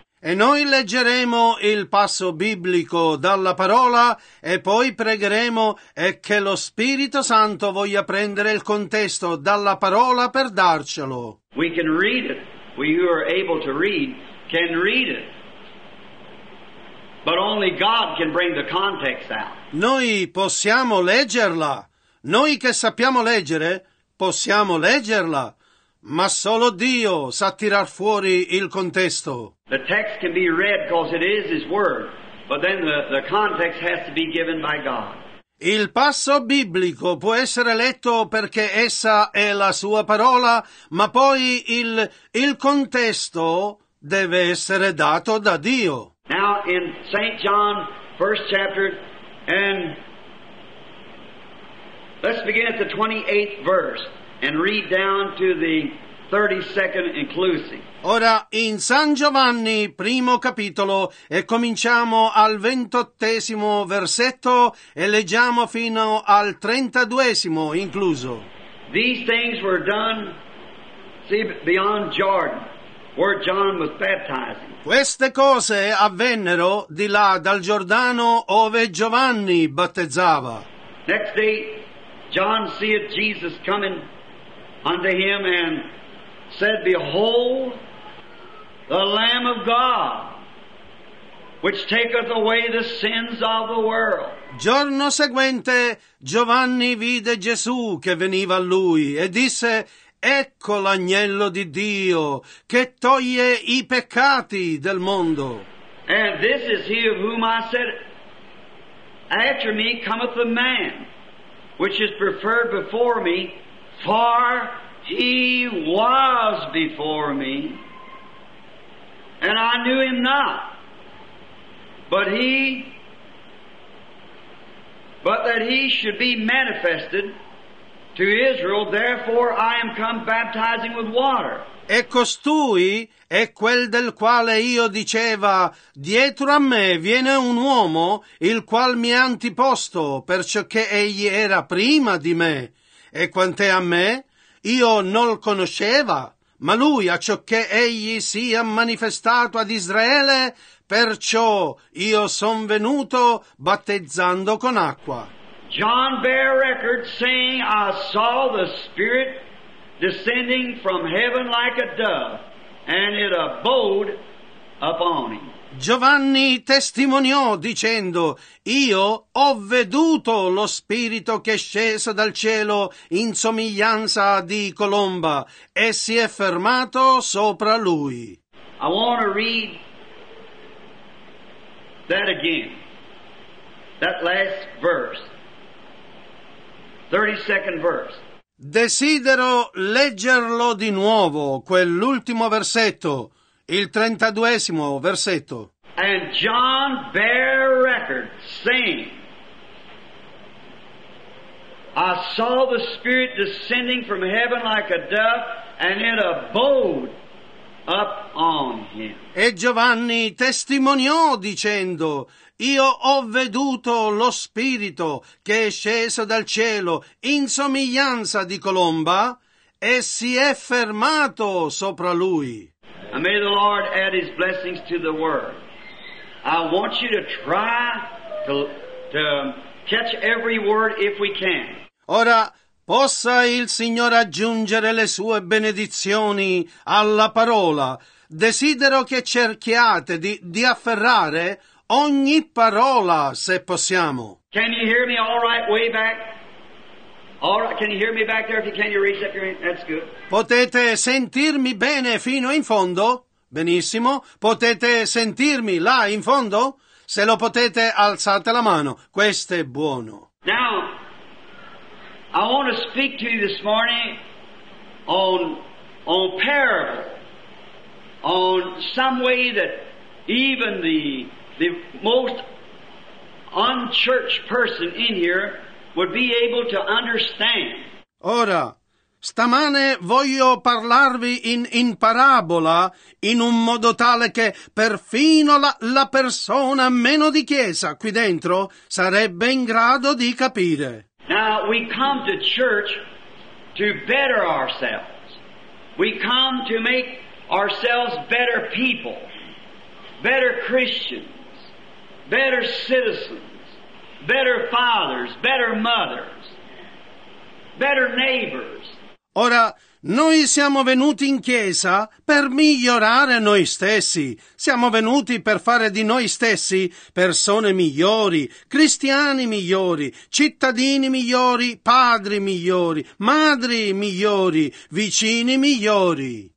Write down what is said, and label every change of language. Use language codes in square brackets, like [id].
[it] E noi leggeremo il passo biblico dalla parola e poi pregheremo e che lo Spirito Santo voglia prendere il contesto dalla parola per darcelo. [en] We can read it. We who are able to read can read it. But only God can bring the context out. [it] Noi possiamo leggerla. Noi che sappiamo leggere possiamo leggerla, ma solo Dio sa tirar fuori il contesto. [en] The text can be read because it is His Word, but then the context has to be given by God. [it] Il passo biblico può essere letto perché essa è la Sua parola, ma poi il contesto deve essere dato da Dio. [en] Now in St. John, first chapter, and let's begin at the 28th verse and read down to the 32nd inclusive. [it] Ora in San Giovanni, primo capitolo, e cominciamo al 28esimo versetto e leggiamo fino al 32esimo incluso. [en] These things were done, see, beyond Jordan, where John was baptizing. [it] Queste cose avvennero di là dal Giordano ove Giovanni battezzava. [en] Next day, John seeth Jesus coming unto him and said, Behold, the Lamb of God, which taketh away the sins of the world. [it] Giorno seguente, Giovanni vide Gesù che veniva a lui e disse, Ecco l'agnello di Dio che toglie i peccati del mondo. [en] And this is he of whom I said, After me cometh the man, which is preferred before me, for he was before me, and I knew him not, but that he should be manifested to Israel, therefore I am come baptizing with water. [it] E costui è quel del quale io diceva, dietro a me viene un uomo il qual mi è antiposto, perciò che egli era prima di me. E quant'è a me, io non conosceva, ma lui a ciò che egli sia manifestato ad Israele, perciò io son venuto battezzando con acqua. [en] John bear record saying, I saw the Spirit descending from heaven like a dove, and it abode upon him. [it] Giovanni testimoniò dicendo, Io ho veduto lo Spirito che è sceso dal cielo in somiglianza di colomba, e si è fermato sopra lui. [en] I want to read that again, that last verse, 32nd verse. [it] Desidero leggerlo di nuovo, quell'ultimo versetto, il 32esimo versetto. [en] And John bear record saying, I saw the Spirit descending from heaven like a dove, and it abode up on him. [it] E Giovanni testimoniò dicendo, Io ho veduto lo Spirito che è sceso dal cielo in somiglianza di colomba e si è fermato sopra lui. [en] And may the Lord add his blessings to the word. I want you to try to catch every word if we can. [it] Ora, possa il Signore aggiungere le sue benedizioni alla parola. Desidero che cerchiate di afferrare ogni parola, se possiamo. [en] Can you hear me all right way back? All right, can you hear me back there? If you can, you raise up your hand. That's good. [it] Potete sentirmi bene fino in fondo? Benissimo, potete sentirmi là in fondo? Se lo potete, alzate la mano. Questo è buono. [en] Now, I want to speak to you this morning on on parable, on some way that even the most unchurched person in here would be able to understand. [it] Ora, stamane voglio parlarvi in parabola in un modo tale che perfino la persona meno di chiesa qui dentro sarebbe in grado di capire. [en] Now we come to church to better ourselves. We come to make ourselves better people, better Christians, better citizens, better fathers, better mothers, better neighbors. [it] Ora, noi siamo venuti in chiesa per migliorare noi stessi. Siamo venuti per fare di noi stessi persone migliori, cristiani migliori, cittadini migliori, padri migliori, madri migliori, vicini migliori.